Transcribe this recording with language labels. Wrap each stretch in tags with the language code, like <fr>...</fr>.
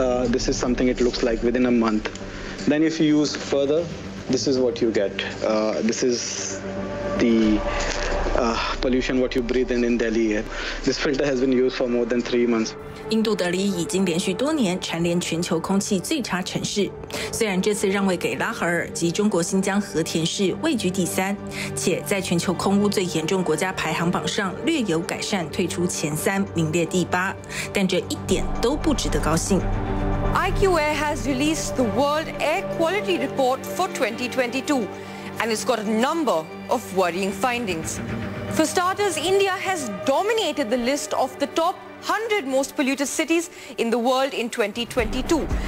<en>This is something it looks like within a month. Then if you use further, this is what you get. This is the pollution what you breathe in Delhi. This filter has been used for more than 3 months.</en> <zh>印度德里已经连续多年蝉联全球空气最差城市，虽然这次让位给拉合尔及中国新疆和田市位居第三，且在全球空污最严重国家排行榜上略有改善，退出前三名列第八，但这一点都不值得高兴。</zh> <en>IQ Air has released the World Air Quality Report for 2022, and it's got a number of worrying findings. For starters, India has dominated the list of the top 100 most polluted cities in the world in 2022.</en>